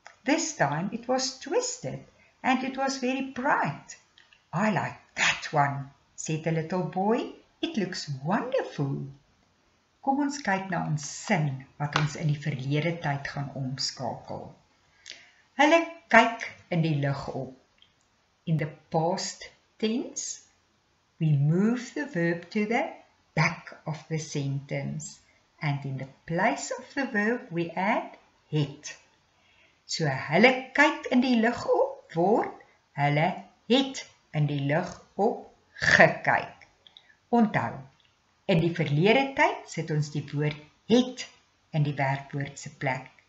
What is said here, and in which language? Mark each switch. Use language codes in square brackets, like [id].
[en] This time it was twisted and it was very bright. I like that one, said the little boy. It looks wonderful. [af] Kom ons kyk na ons sin wat ons in die verlede tyd gaan omskakel. Hulle kyk in die lug op. [en] In the past tense, we move the verb to the back of the sentence. And in the place of the verb we add het. [af] So hulle kyk in die lug op word hulle het in die lug op gekyk. Onthou, in die verlede tyd sit ons die woord het in die werkwoord se plek.